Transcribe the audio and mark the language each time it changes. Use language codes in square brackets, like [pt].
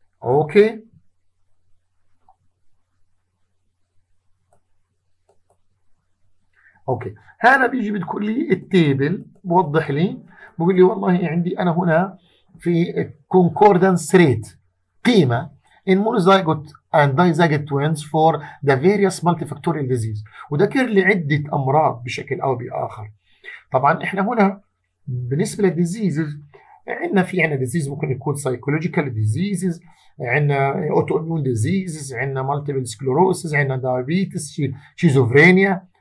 [ar] أوكي، أوكي، هذا بيجي بتقول لي التيبل بوضح لي، بقول لي والله عندي أنا هنا في الكونكوردانس ريت قيمة [en] in monozygote and dizygote twins for the various multifactorial disease. [ar] وذكر لعدة أمراض بشكل أو بآخر. طبعا إحنا هنا بالنسبة للديزيزز عندنا في عندنا ديزيز ممكن يكون سايكولوجيكال ديزيزز، عندنا اوتو اميون ديزيزز، عندنا مالتيبل سكلوروسز، عندنا دايابيتس، شيزوفرينيا.